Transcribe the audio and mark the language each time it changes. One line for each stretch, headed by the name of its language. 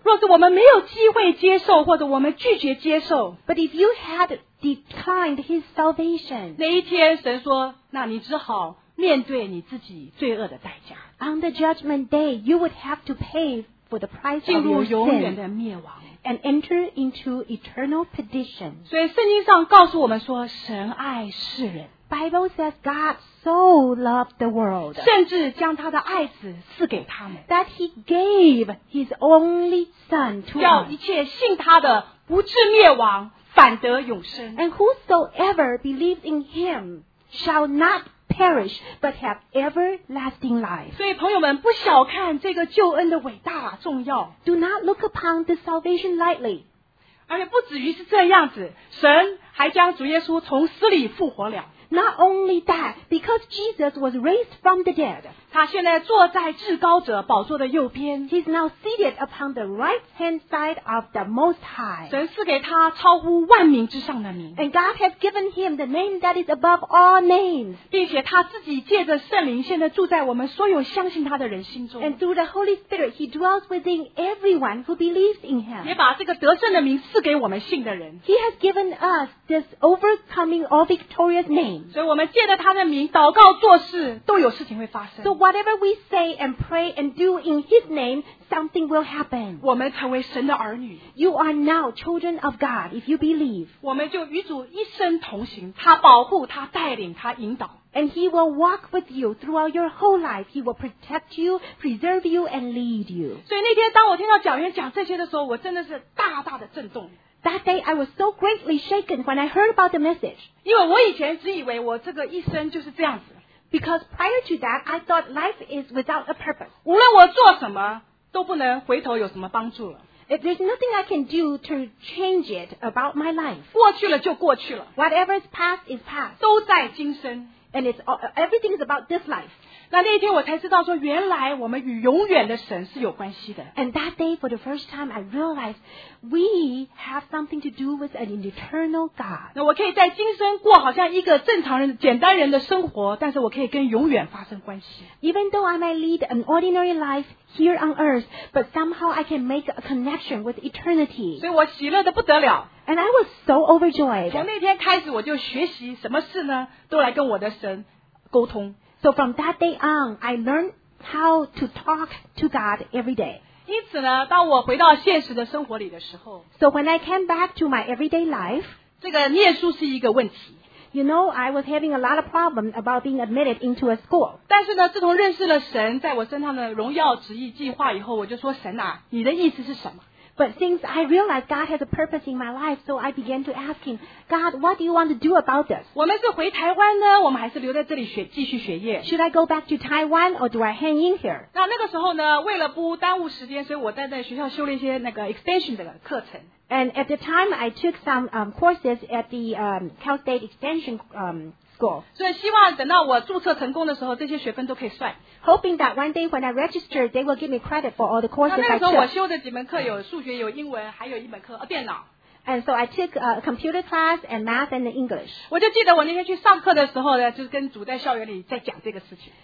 Chinese: 若是我们没有机会接受或者我们拒绝接受，
English: But if you had declined his salvation,
Chinese: 那一天神说，那你只好面对你自己罪恶的代价。
English: On the judgment day, you would have to pay for the price of your sin.
Chinese: 进入永远的灭亡。
English: And enter into eternal perdition.
Chinese: 所以圣经上告诉我们说，神爱世人。
English: Bible says God so loved the world.
Chinese: 甚至将他的爱子赐给他们。
English: That he gave his only son to us.
Chinese: 叫一切信他的不至灭亡，反得永生。
English: And whosoever believes in him shall not perish, but have everlasting life.
Chinese: 所以朋友们，不小看这个救恩的伟大重要。
English: Do not look upon the salvation lightly.
Chinese: 而且不止于是这样子，神还将主耶稣从死里复活了。
English: Not only that, because Jesus was raised from the dead.
Chinese: 他现在坐在至高者宝座的右边。
English: He's now seated upon the right hand side of the Most High.
Chinese: 神赐给他超乎万民之上的名。
English: And God has given him the name that is above all names.
Chinese: 并且他自己借着圣灵现在住在我们所有相信他的人心中。
English: And through the Holy Spirit, he dwells within everyone who believes in him.
Chinese: 也把这个得胜的名赐给我们信的人。
English: He has given us this overcoming all victorious name.
Chinese: 所以我们借着他的名祷告做事都有事情会发生。
English: So whatever we say and pray and do in his name, something will happen.
Chinese: 我们成为神的儿女。
English: You are now children of God if you believe.
Chinese: 我们就与主一生同行，他保护，他带领，他引导。
English: And he will walk with you throughout your whole life. He will protect you, preserve you, and lead you.
Chinese: 所以那天当我听到讲员讲这些的时候，我真的是大大的震动。
English: That day, I was so greatly shaken when I heard about the message.
Chinese: 因为我以前只以为我这个一生就是这样子。
English: Because prior to that, I thought life is without a purpose.
Chinese: 无论我做什么，都不能回头有什么帮助了。
English: If there's nothing I can do to change it about my life.
Chinese: 过去了就过去了。
English: Whatever is past is past.
Chinese: 都在今生。
English: And it's all, everything is about this life.
Chinese: 那那一天我才知道说，原来我们与永远的神是有关系的。
English: And that day for the first time I realized we have something to do with an eternal God.
Chinese: 那我可以在今生过好像一个正常人简单人的生活，但是我可以跟永远发生关系。
English: Even though I might lead an ordinary life here on earth, but somehow I can make a connection with eternity.
Chinese: 所以我喜乐得不得了。
English: And I was so overjoyed.
Chinese: 从那天开始我就学习什么事呢，都来跟我的神沟通。
English: So from that day on, I learned how to talk to God every day.
Chinese: 因此呢，当我回到现实的生活里的时候，
English: So when I came back to my everyday life,
Chinese: 这个念书是一个问题。
English: You know, I was having a lot of problems about being admitted into a school.
Chinese: 但是呢，自从认识了神在我身上的荣耀旨意计划以后，我就说，神啊，你的意思是什么？
English: But since I realized God has a purpose in my life, so I began to ask him, God, what do you want to do about this?
Chinese: 我们是回台湾呢，我们还是留在这里学，继续学业？
English: Should I go back to Taiwan or do I hang in here?
Chinese: 那个时候呢，为了不耽误时间，所以我在学校修了一些那个 extension 的课程。
English: And at the time, I took some courses at the Cal State Extension School.
Chinese: 所以希望等到我注册成功的时候，这些学分都可以算。
English: Hoping that one day when I register, they will give me credit for all the courses I took.
Chinese: 那个时候我修的几门课有数学、有英文，还有一门课电脑。
English: And so I took a computer class and math and English.
Chinese: 我就记得我那天去上课的时候呢，就是跟主在校园里在讲这个事情。